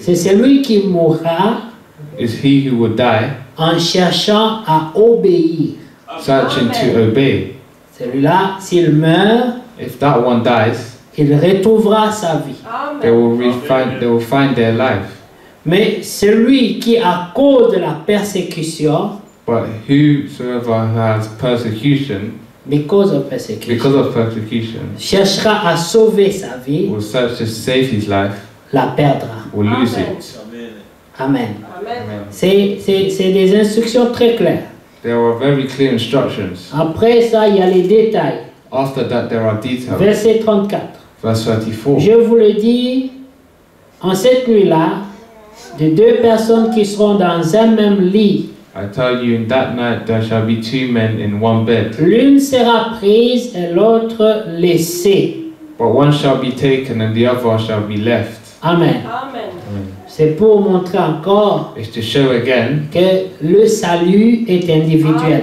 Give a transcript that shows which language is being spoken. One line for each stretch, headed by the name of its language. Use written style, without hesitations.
French: c'est celui qui mourra,
English: is he who will die,
French: en cherchant à obéir,
English: searching to obey.
French: Celui-là, s'il meurt,
English: if that one dies,
French: il retrouvera sa vie.
English: They will find, they will find their life.
French: Mais celui qui à cause de la persécution,
English: but whosoever has persecution, because of persecution,
French: cherchera à sauver sa vie,
English: will search to save his life,
French: la perdra.
English: We'll lose Amen. It. Amen. Amen.
French: C'est des instructions très claires.
English: There are very clear instructions.
French: Après ça, il y a les détails.
English: After that, there are details.
French: Verset 34.
English: Verse 34.
French: Je vous le dis, en cette nuit-là, de deux personnes qui seront dans un même lit.
English: I tell you, in that night, there shall be two men in one bed.
French: L'une sera prise et l'autre laissée.
English: But one shall be taken and the other shall be left. Amen. Amen.
French: C'est pour montrer encore,
English: it's to show again,
French: que le salut est individuel.